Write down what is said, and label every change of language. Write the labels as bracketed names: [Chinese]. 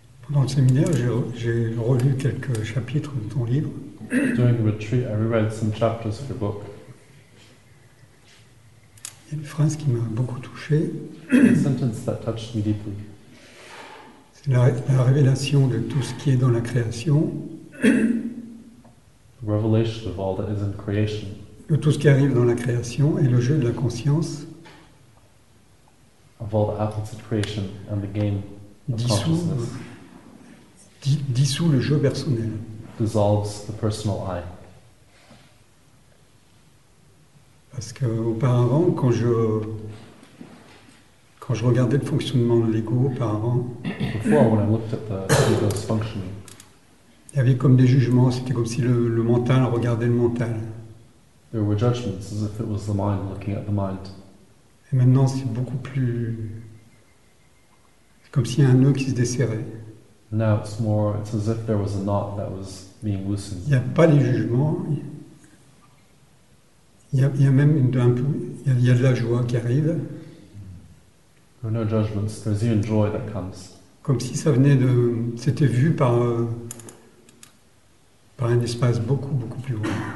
[French] Dans le séminaire, j'ai relu quelques chapitres de ton livre. [English] During the retreat, I reread some chapters of your book. [French] Il y a une phrase qui m'a beaucoup touché. [English] A sentence that touched me deeply. [French] C'est la révélation de tout ce qui est dans la création. [English] The revelation of all that is in creation. [French] De tout ce qui arrive dans la création et le jeu de la conscience. [English] Of all that happens in creation and the game of consciousness. [French] Dissout le jeu personnel. [English] Dissolves the personal I. [French] Parce que auparavant, quand je regardais le fonctionnement de l'ego, auparavant, [English] before, when I looked at the ego's functioning, [French] il y avait comme des jugements. C'était comme si le mental regardait le mental. [English] There were judgments as if it was the mind looking at the mind. [French] Et maintenant, c'est beaucoup plus. C'est comme s'il y a un nœud qui se desserrait. [English] Now it's more, it's as if there was a knot that was being loosened. [French] Il n'y a pas les jugements. Il y a de la joie qui arrive. [English] There are no judgments, there's even joy that comes. [French] Comme si ça venait de. C'était vu par un espace beaucoup, beaucoup plus grand.